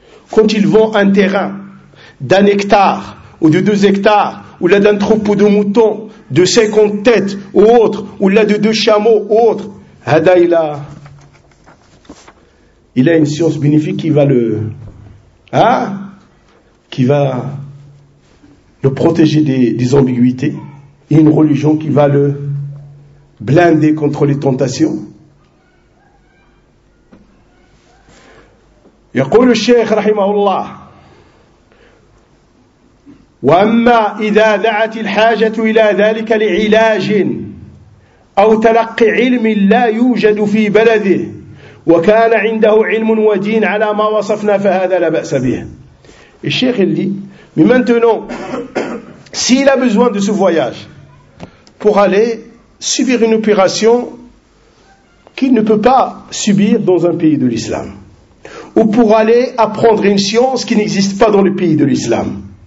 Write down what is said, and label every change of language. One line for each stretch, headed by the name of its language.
French: Quand il vend un terrain d'un hectare, ou de deux hectares, ou là d'un troupeau de moutons, de 50 têtes, ou autre, ou là de deux chameaux, ou autre, Hada, il a une science bénéfique qui va le, hein, qui va le protéger des ambiguïtés. Une religion qui va le blinder contre les tentations.
Arabic: يقول الشيخ رحمه الله وأما إذا دعت الحاجة إلى ذلك لعلاج أو تلقي علم لا يوجد في بلده وكان عنده علم ودين على ما وصفنا فهذا لا بأس به. الشيخ اللي من
French: maintenant s'il a besoin de ce voyage pour aller subir une opération qu'il ne peut pas subir dans un pays de l'islam, ou pour aller apprendre une science qui n'existe pas dans le pays de l'islam.